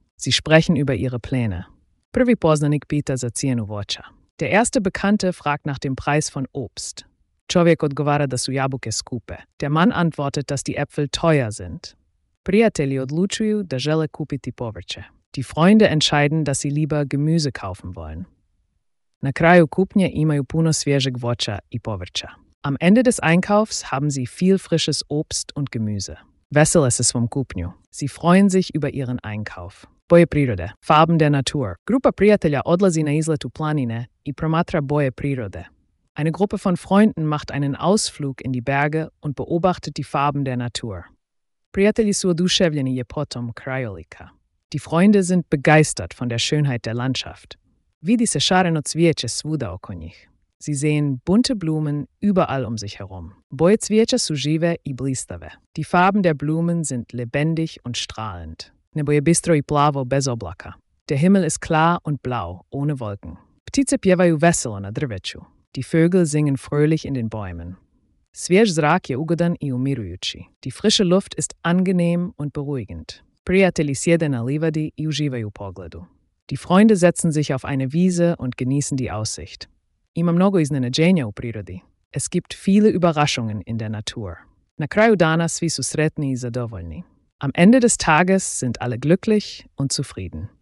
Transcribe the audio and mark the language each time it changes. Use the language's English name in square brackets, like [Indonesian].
[German] Sie sprechen über ihre Pläne. [Croatian] Prvi poznanik pita za cijenu voća. [German] Der erste Bekannte fragt nach dem Preis von Obst. [Croatian] Čovjek odgovara da su jabuke skupe. [German] Der Mann antwortet, dass die Äpfel teuer sind. [Croatian] Prijatelji odlučuju da žele kupiti povrće. [German] Die Freunde entscheiden, dass sie lieber Gemüse kaufen wollen. [Croatian] Na kraju kupnje imaju puno svježeg voća i povrća. [German] Am Ende des Einkaufs haben sie viel frisches Obst und Gemüse. Vesel ist es vom kupnju. Sie freuen sich über ihren Einkauf. [Croatian] Boje prirode. [German] Farben der Natur. [Croatian] Grupa prijatelja odlazi na izlet u planine i promatra boje prirode. [German] Eine Gruppe von Freunden macht einen Ausflug in die Berge und beobachtet die Farben der Natur. [Croatian] Prijatelji su oduševljeni ljepotom krajolika. [German] Die Freunde sind begeistert von der Schönheit der Landschaft. [Croatian] Vidi se šareno cvijeće svuda oko njih. [German] Sie sehen bunte Blumen überall um sich herum. [Croatian] Boje cvijeća su žive i blistave. [German] Die Farben der Blumen sind lebendig und strahlend. [Croatian] Nebo je bistro i plavo bez oblaka. [German] Der Himmel ist klar und blau, ohne Wolken. [Croatian] Ptice pjevaju veselo na drveću. [German] Die Vögel singen fröhlich in den Bäumen. [Croatian] Svjež zrak je ugodan i umirujući. [German] Die frische Luft ist angenehm und beruhigend. [Croatian] Prijatelji sjede na livadi i uživaju pogledu. [German] Die Freunde setzen sich auf eine Wiese und genießen die Aussicht. [Croatian] Ima mnogo iznenađenja u prirodi. [German] Es gibt viele Überraschungen in der Natur. [Croatian] Na kraju dana svi su sretni i zadovoljni. [German] Am Ende des Tages sind alle glücklich und zufrieden.